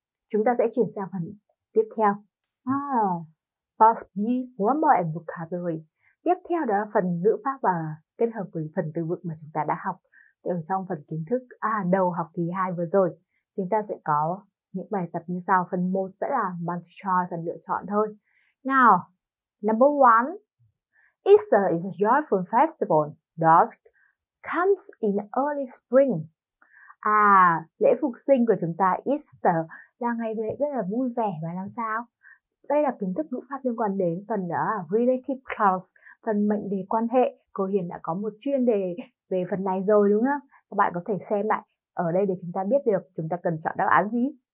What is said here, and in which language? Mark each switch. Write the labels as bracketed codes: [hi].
[vi] Chúng ta sẽ chuyển sang phần tiếp theo. [en] Part B, grammar and vocabulary. [vi] Tiếp theo đó là phần ngữ pháp và kết hợp với phần từ vựng mà chúng ta đã học ở trong phần kiến thức đầu học kỳ 2 vừa rồi. Chúng ta sẽ có những bài tập như sau. Phần 1 sẽ là multiple choice, phần lựa chọn thôi. [en] Now, number 1. Easter is a joyful festival that comes in early spring. [vi] Lễ phục sinh của chúng ta Easter là ngày lễ rất là vui vẻ và làm sao? Đây là kiến thức ngữ pháp liên quan đến phần đó là relative clause, phần mệnh đề quan hệ. Cô Hiền đã có một chuyên đề về phần này rồi đúng không? Các bạn có thể xem lại ở đây để chúng ta biết được chúng ta cần chọn đáp án gì.